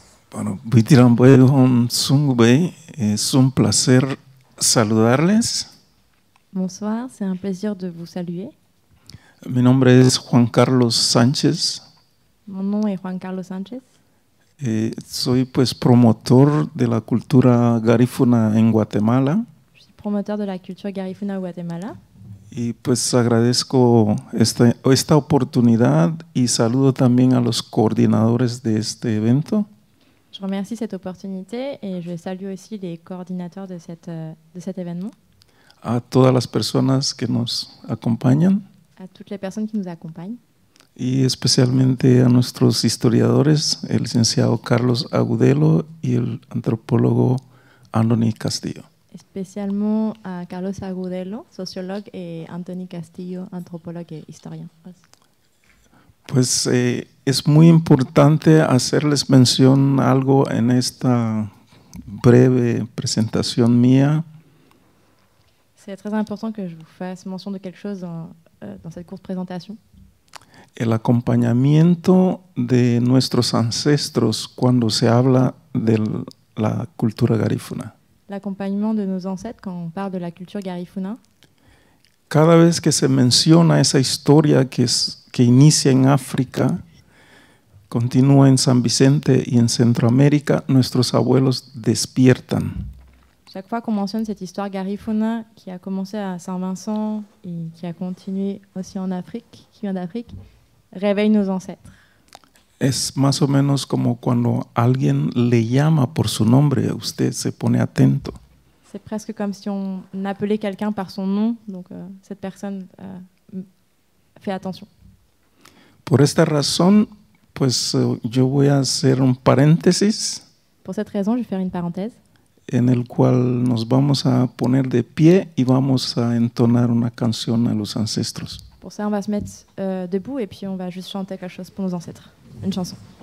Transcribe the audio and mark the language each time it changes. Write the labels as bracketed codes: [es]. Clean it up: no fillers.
[es] Bueno, Vitiram Boyon Sungbei, es un placer saludarles. [fr] Bonsoir, c'est un plaisir de vous saluer. [es] Mi nombre es Juan Carlos Sánchez. [fr] Mon nom est Juan Carlos Sánchez. [es] Soy pues promotor de la cultura garífuna en Guatemala. [fr] Je suis promoteur de la culture garífuna au Guatemala. [es] Y pues agradezco esta oportunidad y saludo también a los coordinadores de este evento. [fr] Je remercie cette opportunité et je salue aussi les coordinateurs de cet événement. [es] A todas las personas que nos acompañan. [fr] A toutes les personnes qui nous accompagnent. [es] Y especialmente a nuestros historiadores, el licenciado Carlos Agudelo y el antropólogo Anthony Castillo. Especialmente a Carlos Agudelo, sociólogo, y Anthony Castillo, antropólogo e historiador. Pues es muy importante hacerles mención algo en esta breve presentación mía. [fr] C'est très important que je vous fasse mention de quelque chose dans cette courte présentation. [es] El acompañamiento de nuestros ancestros cuando se habla de la cultura garífuna. [fr] L'accompagnement de nos ancêtres quand on parle de la culture garífuna. [es] Cada vez que se menciona esa historia que inicia en África, continúa en San Vicente y en Centroamérica, nuestros abuelos despiertan. [fr] Chaque fois qu'on mentionne cette histoire garífuna qui a commencé à Saint-Vincent et qui a continué aussi en Afrique, qui vient d'Afrique, réveille nos ancêtres. [es] Es más o menos como cuando alguien le llama por su nombre, usted se pone atento. [fr] C'est presque comme si on appelait quelqu'un par son nom, donc cette personne fait attention. [es] Por esta razón, pues yo voy a hacer un paréntesis. [fr] Pour cette raison, je vais faire une parenthèse. [es] En el cual nos vamos a poner de pie y vamos a entonar una canción a los ancestros. [fr] Pour ça, on va se mettre debout et puis on va juste chanter quelque chose pour nos ancêtres, une chanson.